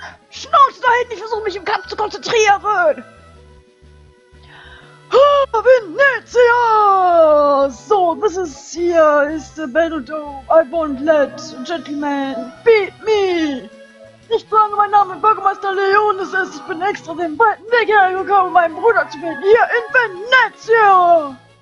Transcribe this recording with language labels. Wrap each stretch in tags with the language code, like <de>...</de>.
<de>Schnauze da hinten, ich versuche mich im Kampf zu konzentrieren! Venezia!</de> <en>So, this is here is the battle dome. I won't let gentlemen beat me!</en> <de>Ich trage meinen Namen Bürgermeister Leon, das heißt, ich bin extra den weiten Weg hergekommen, um meinen Bruder zu finden, hier in Venezia!</de>